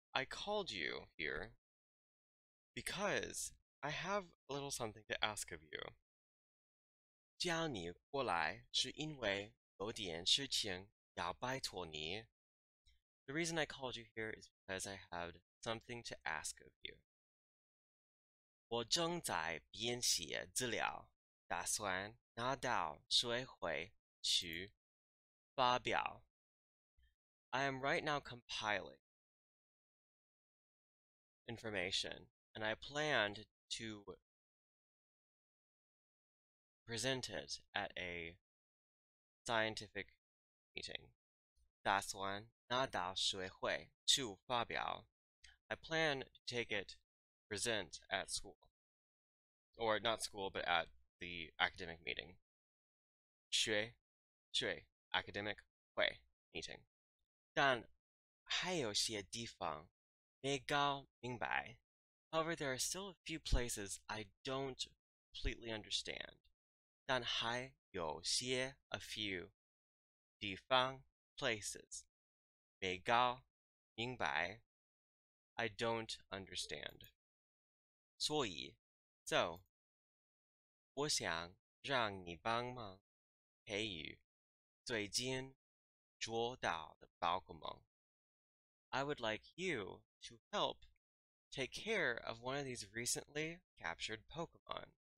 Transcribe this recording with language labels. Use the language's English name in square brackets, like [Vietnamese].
[English] I called you here because I have a little something to ask of you. [Chinese] 叫你过来是因为有点事情要拜托你。 [English] The reason I called you here is because I have something to ask of you. [Chinese] 我正在编写资料，打算拿到学会去发表。 [English] I am right now compiling information, and I planned to present it at a scientific meeting. [Chinese] 打算拿到学会去发表. [English] I plan to take it, present at school. Or not school, but at the academic meeting. [Chinese] 学, [English] academic, 会, meeting. [Chinese] 但还有些地方, 没搞明白. [English] However, there are still a few places I don't completely understand. [Chinese] 但还有些 [English] a few [Chinese] 地方 places 没搞明白. [English] I don't understand. [Chinese] 所以, so 我想让你帮忙培育最近捉到的宝可梦. [English] I would like you to help take care of one of these recently captured Pokemon.